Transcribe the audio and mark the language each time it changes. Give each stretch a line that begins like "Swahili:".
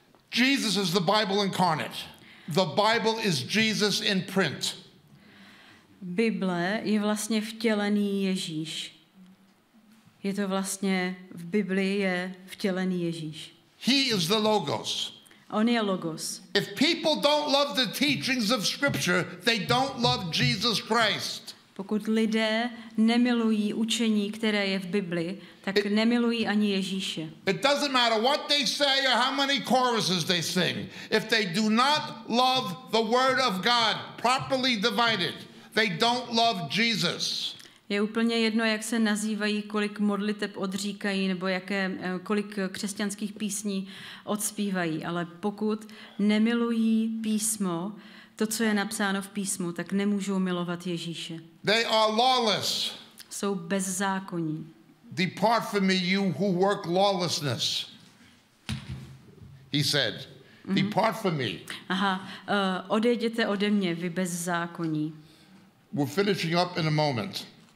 English: Jesus is the Bible incarnate. The Bible is Jesus in print.
Czech: Bible je vlastně vtělený Ježíš. Je to vlastně v Biblii je vtělený Ježíš.
English: He is the logos.
Czech: On je logos.
English: If people don't love the teachings of scripture, they don't love Jesus Christ.
Czech: Pokud lidé nemilují učení, které je v Bibli, tak nemilují ani Ježíše.
English: It doesn't matter what they say or how many choruses they sing. If they do not love the word of God properly divided, they don't love Jesus.
Czech: Je úplně jedno, jak se nazývají, kolik modliteb odříkají nebo jaké, kolik křesťanských písní odspívají, ale pokud nemilují písmo, to, co je napsáno v písmu, tak nemůžou milovat Ježíše.
English: They are lawless.
Czech: Jsou bezzákonní.
English: Depart from me, you who work lawlessness. He said. Mm-hmm. Depart from me.
Czech: Aha, odejděte ode mě, vy bezzákonní.
English: We're finishing up in a moment.